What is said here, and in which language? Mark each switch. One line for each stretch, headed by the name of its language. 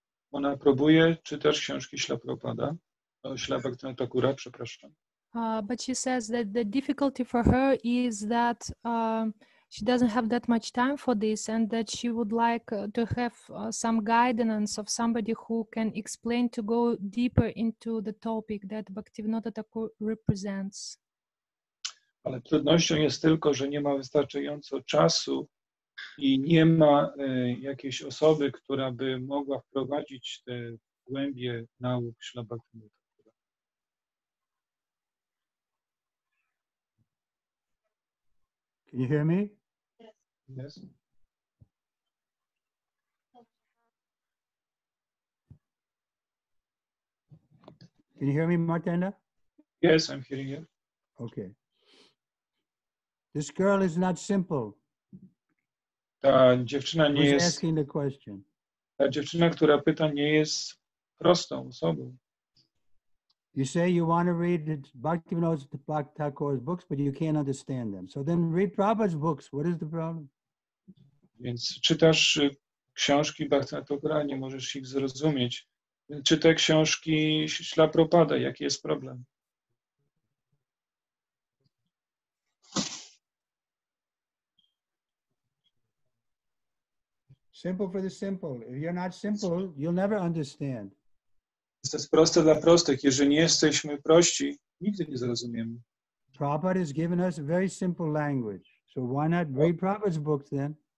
Polish: Ona próbuje czy też książki Śrila Prabhupada, Śrila Bhaktivinoda Thakura, przepraszam.
English: But she says that the difficulty for her is that she doesn't have that much time for this and that she would like to have some guidance of somebody who can explain to go deeper into the topic that Bhaktivinoda Thakur represents.
Polish: Ale trudnością jest tylko, że nie ma wystarczająco czasu i nie ma jakiejś osoby, która by mogła wprowadzić te głębie nauk Śrila Bhaktivinoda.
English: Can you hear me? Yes. Can you hear me, Martenda? Yes, I'm hearing you. Okay. This girl is not simple.
Polish: Ta dziewczyna nie jest.
English: Who's asking the question?
Polish: Ta dziewczyna, która pyta, nie jest prostą osobą.
English: You say you want to read Bhaktivinoda Thakur's books, but you can't understand them. So then read Prabhupada's books. What is the problem?
Polish: Więc czytasz książki Bhaktivinoda Thakura, nie możesz ich zrozumieć. Czytaj książki Śrila Prabhupada. Jaki jest problem?
English: Simple for the simple. If you're not simple, you'll never understand.
Polish: To jest proste dla prostych. Jeżeli nie jesteśmy prości, nigdy nie zrozumiemy.
English: Prabhupada has given us a very simple language. So why not read Prabhupada's books then?